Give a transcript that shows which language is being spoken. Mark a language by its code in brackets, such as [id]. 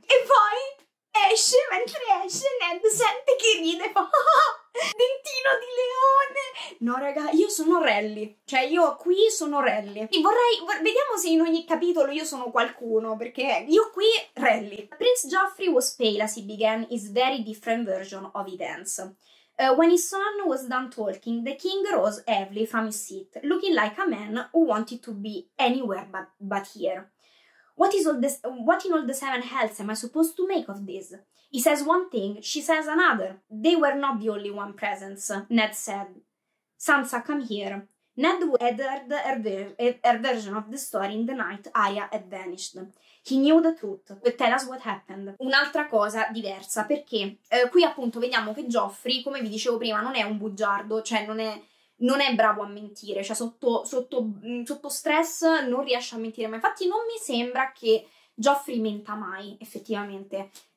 [it] E poi esce, mentre esce Ned sente che ride, fa: dentino di leone! No raga, io sono Rally, cioè io qui sono Rally. E vediamo se in ogni capitolo io sono qualcuno, perché io qui Rally. [en] Prince Joffrey was pale as he began his very different version of events. When his son was done talking, the king rose heavily from his seat, looking like a man who wanted to be anywhere but here. What is all this? What in all the seven hells am I supposed to make of this? He says one thing, she says another. They were not the only one present, Ned said. Sansa, come here. Ned had heard her version of the story in the night Arya had vanished. He knew the truth, but tell us what happened. [it] Un'altra cosa diversa, perché qui appunto vediamo che Joffrey, come vi dicevo prima, non è un bugiardo, cioè non è bravo a mentire, cioè sotto stress non riesce a mentire, ma infatti non mi sembra che Joffrey menta mai, effettivamente.